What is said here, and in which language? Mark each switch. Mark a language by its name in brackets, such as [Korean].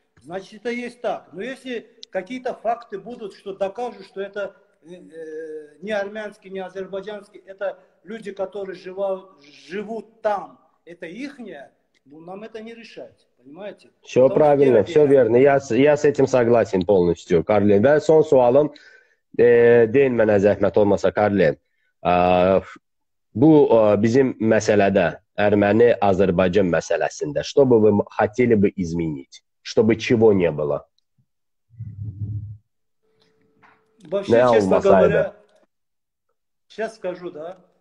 [Russian] Значит, это есть так. Но если какие-то факты будут, что докажут, что это не армянский, не азербайджанский, это люди, которые живут там, это ихнее, ну, нам это не решать. Понимаете? Все потому правильно, все верно. Я с этим согласен полностью, Карлин. [Azerbaijani] Ben son sualım, değinmene zahmet olmasa, Карлин. Bu bizim meselede, Ermeni-Azerbaycan meselesinde, [Russian] чтобы вы хотели бы изменить, чтобы чего не было? Вообще, честно говоря, сейчас скажу, да.